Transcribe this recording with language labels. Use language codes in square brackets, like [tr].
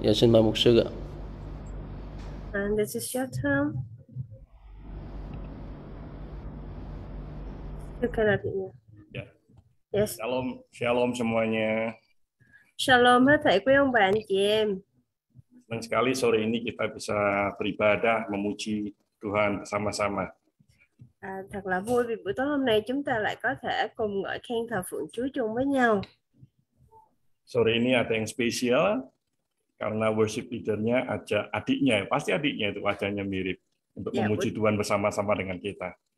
[vi] Dạ xin mời mục sư ạ. [en] And this is your turn. Yes. [id] Shalom, shalom semuanya. [vi] Shalom hết thảy quý ông bà anh chị em. [id] Senang sekali sore ini kita bisa beribadah memuji Tuhan bersama-sama. [vi] À, thật là vui vì buổi tối hôm nay chúng ta lại có thể cùng ngợi khen thờ phượng Chúa chung với nhau. [id] Sore ini ada yang spesial karena worship leader-nya ada adiknya, pasti adiknya itu wajahnya mirip untuk memuji Tuhan bersama-sama dengan kita.